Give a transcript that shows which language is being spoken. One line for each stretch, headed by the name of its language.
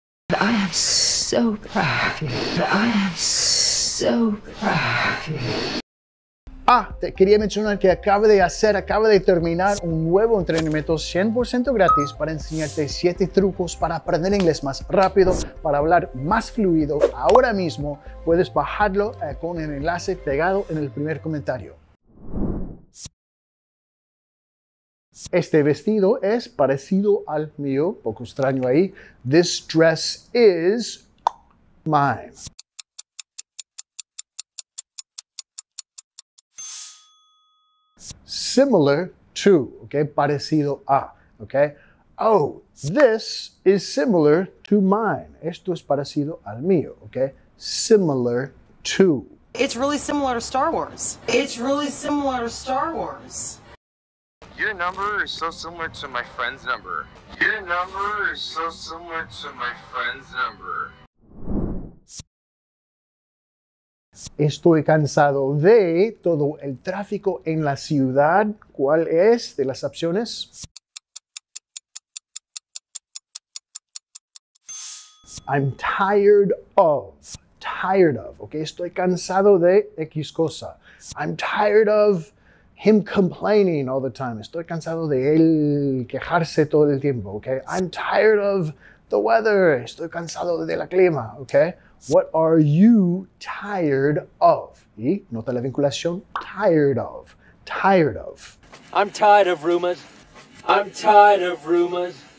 English: I am so proud of you. I am so proud of you.
Spanish: Ah, te quería mencionar que acaba de terminar un nuevo entrenamiento 100% gratis para enseñarte 7 trucos para aprender inglés más rápido, para hablar más fluido. Ahora mismo puedes bajarlo con el enlace pegado en el primer comentario. Este vestido es parecido al mío, poco extraño ahí.
English: This dress is mine. Similar to, okay,
Spanish: parecido a,
English: okay. Oh, this is similar to mine.
Spanish: Esto es parecido al mío, okay.
English: Similar to. It's really similar to Star Wars. It's really similar to Star Wars. Your number is so similar to my friend's number. Your number is so similar to my friend's number.
Spanish: Estoy cansado de todo el tráfico en la ciudad. ¿Cuál es de las opciones?
English: I'm tired of. Tired of. Okay,
Spanish: estoy cansado de X cosa.
English: I'm tired of him complaining all the time.
Spanish: Estoy cansado de él quejarse todo el tiempo.
English: Okay, I'm tired of the weather.
Spanish: Estoy cansado de la clima.
English: Okay, what are you tired of?
Spanish: Y nota la vinculación.
English: Tired of. Tired of. I'm tired of rumors. I'm tired of rumors.